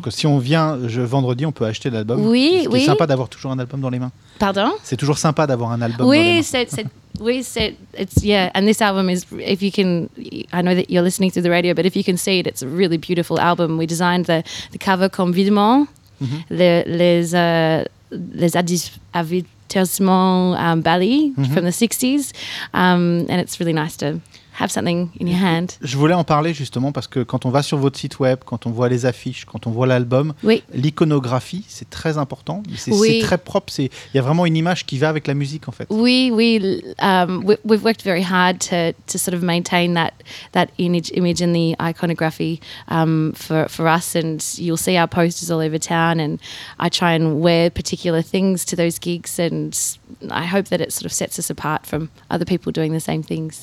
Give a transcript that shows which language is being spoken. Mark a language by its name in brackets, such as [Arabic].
[French] Donc si on vient vendredi, on peut acheter l'album. Oui, oui. C'est sympa d'avoir toujours un album dans les mains. Pardon? C'est toujours sympa d'avoir un album dans les mains. [English] And this album is, if you can, I know that you're listening through the radio, but if you can see it, it's a really beautiful album. We designed the cover [French] comme videment, les [English] advertisements Bali from the 60s, and it's really nice to have something in your hand. [French] Je voulais en parler justement parce que quand on va sur votre site web, quand on voit les affiches, quand on voit l'album, oui. l'iconographie, c'est très important. C'est, oui. c'est très propre. C'est, il y a vraiment une image qui va avec la musique en fait. Oui, oui. [English] We've worked very hard to sort of maintain that image in the iconography for us. And you'll see our posters all over town. And I try and wear particular things to those gigs. And I hope that it sort of sets us apart from other people doing the same things.